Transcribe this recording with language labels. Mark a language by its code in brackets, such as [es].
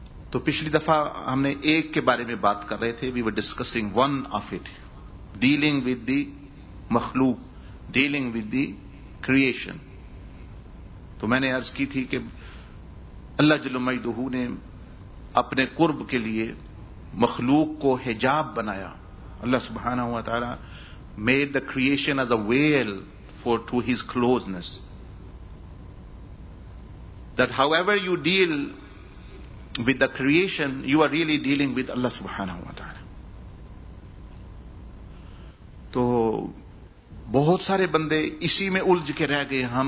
[ur] تو پچھلی دفعہ ہم نے ایک کے بارے میں بات کر رہے تھے, [en] we were discussing one of it, dealing with the مخلوق, dealing with the creation. [ur] تو میں نے عرض کی تھی کہ اللہ جل مجدہ نے اپنے قرب کے لیے مخلوق کو حجاب بنایا. [en] اللہ سبحانہ و تعالی made the creation as a veil for to his closeness, that however you deal with the creation, you are really dealing with Allah subhanahu wa ta'ala. [ur] تو بہت سارے بندے اسی میں الجھ کے رہ گئے.